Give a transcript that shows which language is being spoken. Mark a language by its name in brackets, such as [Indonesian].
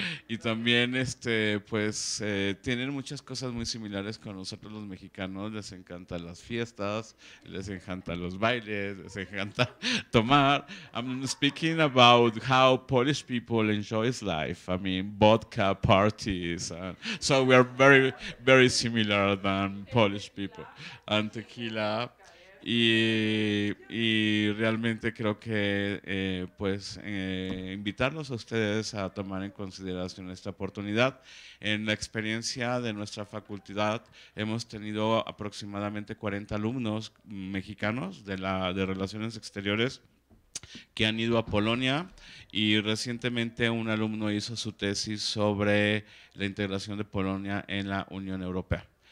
[Spanish] Y también pues tienen muchas cosas muy similares con nosotros los mexicanos, les encantan las fiestas, les encantan los bailes, les encanta tomar. [English] I'm speaking about how Polish people enjoy life, I mean vodka parties, and so we are very very similar than Polish people, and tequila. [Spanish] Y realmente creo que invitarlos a ustedes a tomar en consideración esta oportunidad. En la experiencia de nuestra facultad hemos tenido aproximadamente 40 alumnos mexicanos de Relaciones Exteriores que han ido a Polonia, y recientemente un alumno hizo su tesis sobre la integración de Polonia en la Unión Europea.